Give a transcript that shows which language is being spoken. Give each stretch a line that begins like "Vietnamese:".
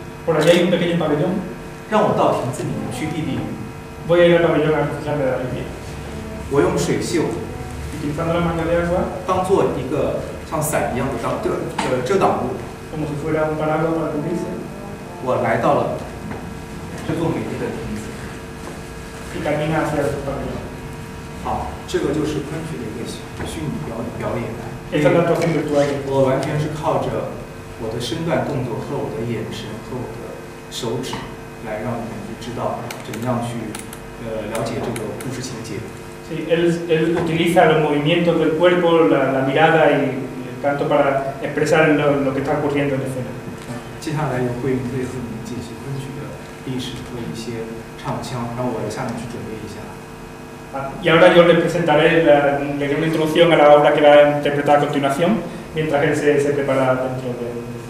Spanish: por allí hay un pequeño pabellón.
Chinese: 让我到亭子里面去避避,
Spanish: voy a ir al pabellón a refugiarme de la lluvia.
Chinese: 我用水袖,
Spanish: utilizando la manga de agua,
Chinese: 当做一个像伞一样的遮挡物,
Spanish: como si fuera un paraguas para cubrirse.
Chinese: 我来到了这座美丽的亭子,
Spanish: y camina hacia el pabellón.
Chinese: 好，这个就是昆曲的一个虚拟表演。
Spanish: Esta es la actuación virtual.
Chinese: 我完全是靠着 我的身段动作和我的眼神和我的手指来让你们知道怎么样去了解这个故事情节。
Spanish: Sí, él utiliza los movimientos del cuerpo, la mirada y tanto para expresar lo que está ocurriendo en escena.
Chinese: 接下来由桂云会和你进行昆曲的历史和一些唱腔，然后我下面去准备一下。
Spanish: Y ahora yo le presentaré, le doy una introducción a la obra que va a interpretar a continuación, mientras él se prepara dentro de.